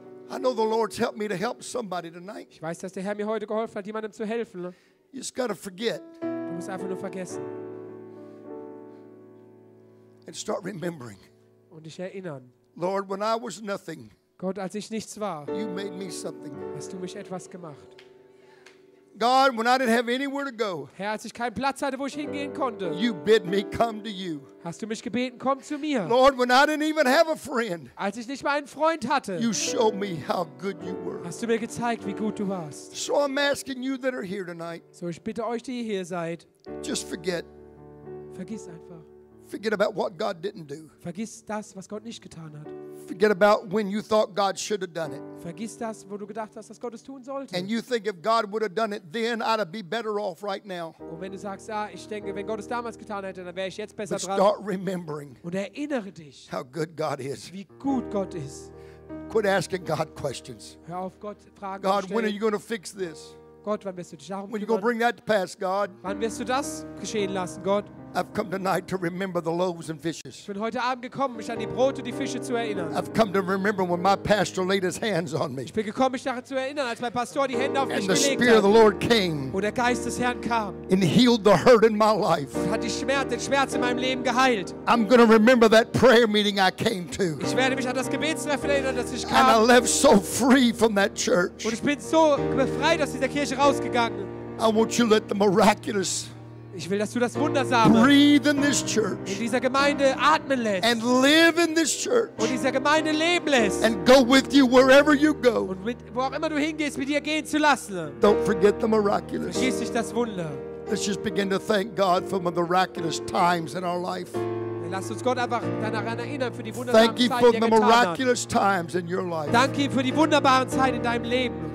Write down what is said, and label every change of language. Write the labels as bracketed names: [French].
[English] I know the Lord's helped me to help somebody tonight. [German] Ich weiß, dass der Herr mir heute geholfen hat, jemandem zu helfen. [English] You just gotta forget. [German] Du musst einfach nur vergessen. [English] And start remembering. [German] Und dich erinnern. [English] Lord, when I was nothing. [German] Gott, als ich nichts war. [English] You made me something. [German] Hast du mich etwas gemacht? [English] God, when I didn't have anywhere to go. [German] Herr, als ich keinen Platz hatte, wo ich hingehen konnte. [English] You bid me come to you. [German] Hast du mich gebeten, komm zu mir. [English] Lord, when I didn't even have a friend. [German] Als ich nicht mal einen Freund hatte. [English] You showed me how good you were. [German] Hast du mir gezeigt, wie gut du warst. [English] So I'm asking you that are here tonight. [German] So ich bitte euch, die ihr hier seid. [English] Just forget. [German] Vergiss einfach. [English] Forget about what God didn't do. [German] Vergiss das, was Gott nicht getan hat. [English] Forget about when you thought God should have done it. [German] Vergiss das, wo du gedacht hast, dass Gott es tun sollte. [English] And you think if God would have done it then, I'd be better off right now. [German] Und wenn du sagst, ah, ich denke, wenn Gott es damals getan hätte, dann wäre ich jetzt besser [English] But [German] dran. [English] Start remembering. [German] Und erinnere dich. [English] How good God is. [German] Wie gut Gott ist. [English] Quit asking God questions. [German] Hör auf, Gott Fragen [English] God, [German] stellen. [English] When are you going to fix this? [German] Gott, wann wirst du dich darum [English] When you going to bring that to pass, God? [German] Wann wirst du das geschehen lassen, Gott? [English] I've come tonight to remember the loaves and fishes. [German] Ich bin heute Abend gekommen, mich an die Brote und die Fische zu erinnern. [English] I've come to remember when my pastor laid his hands on me. [German] Ich bin gekommen, mich daran zu erinnern, als mein Pastor die Hände auf mich gelegt hat. [English] And the Spirit of the Lord came. [German] Und der Geist des Herrn kam. [English] And healed the hurt in my life. [German] Hat den Schmerz in meinem Leben geheilt. [English] I'm going to remember that prayer meeting I came to. [German] Ich werde mich an das Gebetstreffen erinnern, das ich kam. [English] And I left so free from that church. [German] Und ich bin so befreit aus dieser Kirche rausgegangen. [English] I want you to let the miraculous [German] Ich will, dass du das Wundersame [English] Breathe in this church. [German] In dieser Gemeinde atmen lässt. [English] And live in this church. [German] Und dieser Gemeinde leben lässt. [English] And go with you wherever you go. [German] Und mit, wo auch immer du hingehst, mit dir gehen zu lassen. [English] Don't forget the miraculous. [German] Vergiss nicht das Wunder. [English] Let's just begin to thank God for the miraculous times in our life. [German] Lass uns Gott einfach daran erinnern für die wunderbaren [English] thank [German] Zeiten, [English] you for [German] die [English] the miraculous times in your life. [German] Danke ihm für die wunderbaren Zeiten in deinem Leben.